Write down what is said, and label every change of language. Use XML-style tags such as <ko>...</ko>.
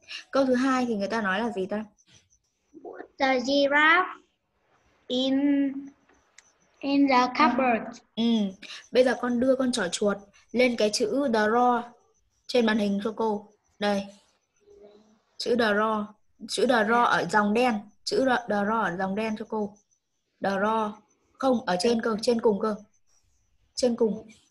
<vi>Câu thứ 2 thì người ta nói là gì ta?</vi> <en>Put the giraffe in the cupboard.</en> <vi>Ừ. Bây giờ con đưa con trỏ chuột lên cái chữ draw trên màn hình cho cô. Đây. Chữ draw. Chữ draw ở dòng đen. Chữ draw ở dòng đen cho cô. Draw. Không, ở trên cơ. Trên cùng cơ. Trên cùng.</vi>